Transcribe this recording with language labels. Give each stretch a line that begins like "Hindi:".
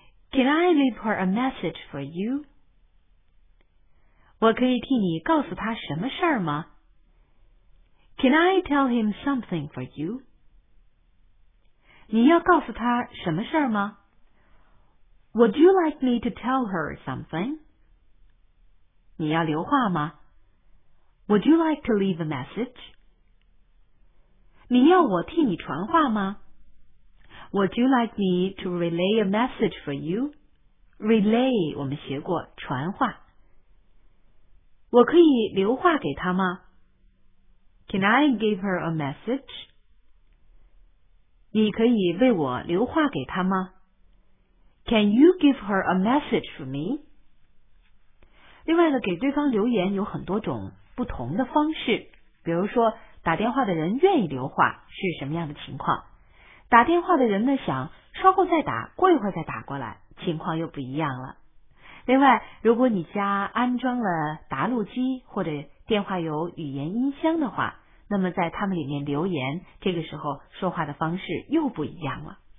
English: Can I leave her a message for you?
Chinese: 我可以替你告诉他什么事儿吗？
English: Can I tell him something for you?
Chinese: 你要告诉他什么事儿吗？
English: Would you like me to tell her something? 你要留话吗？ Would you like to leave a message?
Chinese: 你要我替你传话吗？
English: Would you like me to relay a message for you?
Chinese: Relay 我们学过传话。我可以留话给他吗？
English: Can I give her a message?
Chinese: 你可以为我留话给她吗？
English: Can you give her a message for me?
Chinese: 另外呢，给对方留言有很多种不同的方式，比如说打电话的人愿意留话是什么样的情况，打电话的人呢想稍后再打，过一会儿再打过来，情况又不一样了。另外如果你家安装了答录机或者电话有语言音箱的话，那么在他们里面留言，这个时候说话的方式又不一样了。